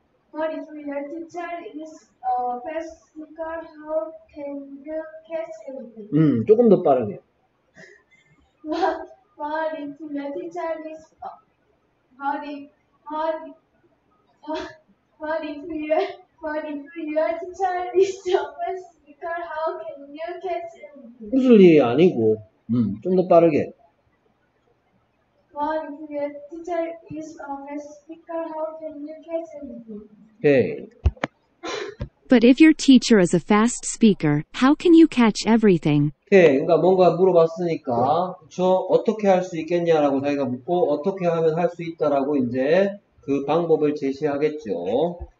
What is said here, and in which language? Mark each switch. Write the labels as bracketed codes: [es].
[en] What if your teacher is a fast speaker, how can you catch everything? [ko] 조금 더 빠르게. [en] What if your teacher is what if your teacher is a fast speaker, how can you catch everything? [ko] 웃을 일이 아니고, 좀 더 빠르게. [en] What if your teacher is a fast speaker, how can you catch everything? Okay. But if your teacher is a fast speaker, how can you catch everything? Okay. [ko] 그러니까 뭔가 물어봤으니까, 저 어떻게 할 수 있겠냐라고 자기가 묻고, 어떻게 하면 할 수 있다라고 이제 그 방법을 제시하겠죠.